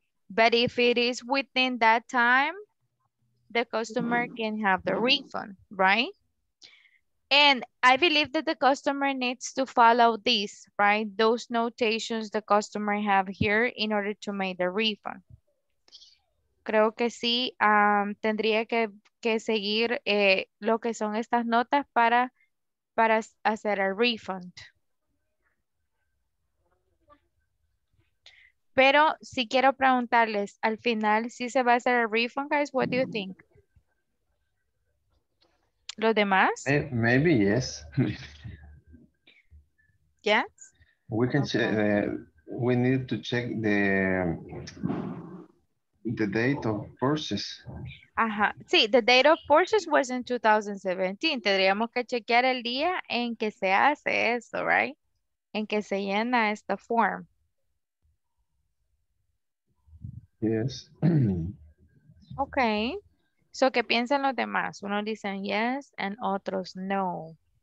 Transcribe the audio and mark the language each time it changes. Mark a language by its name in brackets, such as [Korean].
[English] But if it is within that time, the customer can have the refund, right? And I believe that the customer needs to follow this, right? Those notations the customer have here in order to make the refund. [Spanish] Creo que sí, tendría que seguir lo que son estas notas para hacer el refund. Pero si quiero preguntarles al final si se va a hacer el refund, guys, [English] what do you think? [Spanish] ¿Los demás? [English] Maybe, yes. Yes? We can check, we need to check the date of purchase. [Spanish] Ajá, sí, [English] the date of purchase was in 2017. [Spanish] Tendríamos que chequear el día en que se hace eso, right? En que se llena esta form. [English] Yes. [Spanish] Okay. So, ¿qué piensan los demás? Uno dicen yes and otros no.